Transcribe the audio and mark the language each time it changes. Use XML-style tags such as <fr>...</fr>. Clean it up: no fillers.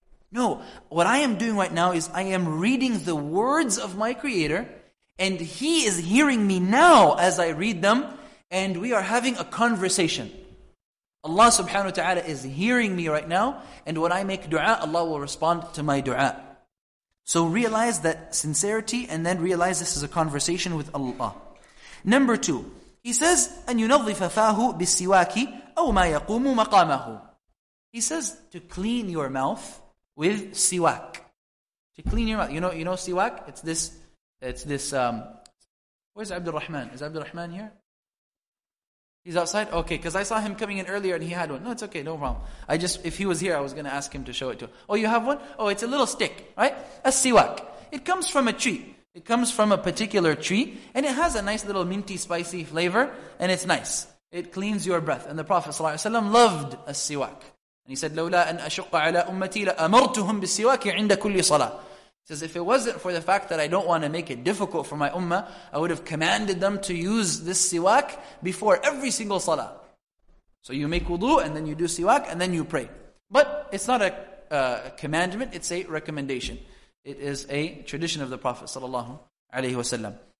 <en>No, what I am doing right now is I am reading the words of my Creator and He is hearing me now as I read them and we are having a conversation. Allah subhanahu wa ta'ala is hearing me right now and when I make dua, Allah will respond to my dua. So realize that sincerity and then realize this is a conversation with Allah. Number two, he says,</en> <ar>أَنْ يُنَظِّفَ فَاهُ بِالسِّوَاكِ أَوْ مَا يَقُومُ مَقَامَهُ.</ar> <en>He says, to clean your mouth with siwak. To clean your mouth. You know siwak? It's this, where's Abdul Rahman? Is Abdul Rahman here? He's outside? Okay, because I saw him coming in earlier and he had one. No, it's okay, no problem. If he was here, I was going to ask him to show it to him. Oh, you have one? Oh, it's a little stick, right? A siwak. It comes from a tree. It comes from a particular tree, and it has a nice little minty, spicy flavor, and it's nice. It cleans your breath. And the Prophet ﷺ loved a siwak. And he said,</en> <ar>لَوْلَا أَنْ أَشُقَّ عَلَىٰ أُمَّتِي لَأَمَرْتُهُمْ بِالسِّوَاكِ عِنْدَ كُلِّ صَلَىٰ.</ar> <en>He says, if it wasn't for the fact that I don't want to make it difficult for my ummah, I would have commanded them to use this siwak before every single salah. So you make wudu, and then you do siwak, and then you pray. But it's not a commandment, it's a recommendation. It is a tradition of the Prophet sallallahu alaihi wasallam.</en>